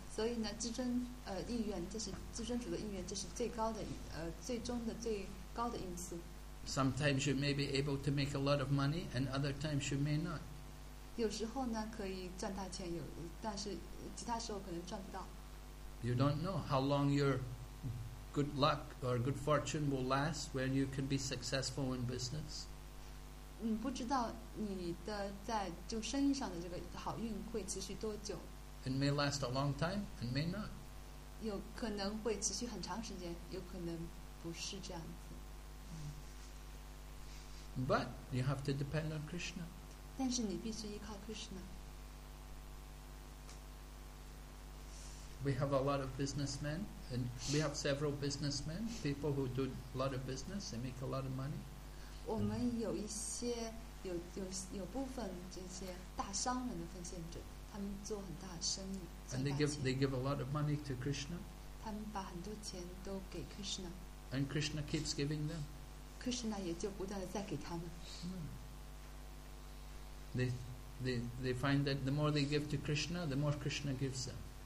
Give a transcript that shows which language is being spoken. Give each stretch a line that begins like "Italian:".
Chinese: 所以呢，自尊意愿，这是自尊主的意愿，这是最高的最终的最高的因素。
English: Sometimes you may be able to make a lot of money, and other times you may not.
Chinese: 有时候呢可以赚大钱，但是其他时候可能赚不到。
English: You don't know how long your good luck or good fortune will last when you can be successful in business.
Chinese: 你不知道你的在就生意上的这个好运会持续多久。
English: It may last a long time, it may not.
Chinese: 有可能会持续很长时间，有可能不是这样子。
English: But you have to depend on Krishna.
Chinese: 但是你必须依靠 Krishna.
English: We have a lot of businessmen, and we have several businessmen, people who do a lot of business, they make a lot of money.
Chinese: 我们有一些有部分这些大商人的奉献者，他们做很大的生意。
English: And they give a lot of money to Krishna.
Chinese: 他们把很多钱都给 Krishna.
English: And Krishna keeps giving them.
Chinese: Krishna 也就不断的再给他们。
English: They find that the more they give to Krishna, the more Krishna gives them.